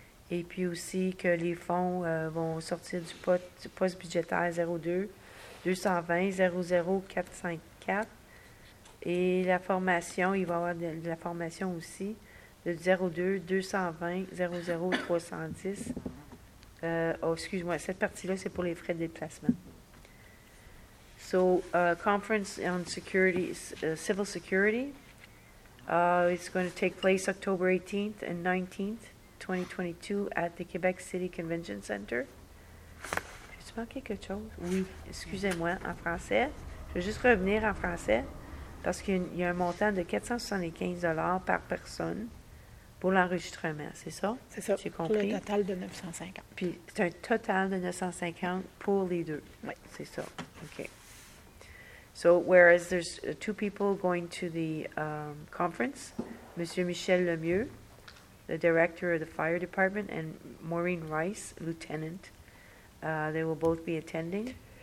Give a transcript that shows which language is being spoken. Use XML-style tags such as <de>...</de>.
<fr>Et puis aussi que les fonds vont sortir du poste budgétaire 02-220-00-454. Et la formation, il va y avoir de la formation aussi, de 02-220-00-310. Excuse-moi, cette partie-là, c'est pour les frais de déplacement.</fr> <en>So, Conference on Security, Civil Security, it's going to take place October 18th and 19th. 2022 at the Quebec City Convention Center.</en> <fr>J'ai-tu manqué quelque chose? Oui. Excusez-moi, en français. Je vais juste revenir en français parce qu'il y a un montant de $475 par personne pour l'enregistrement, c'est ça? C'est ça. J'ai compris. Pour le total de 950. Puis c'est un total de 950 pour les deux. Oui. C'est ça. OK.</fr> <en>So, whereas there's two people going to the conference, Monsieur Michel Lemieux, the director of the fire department, and Maureen Rice, lieutenant, they will both be attending.</en>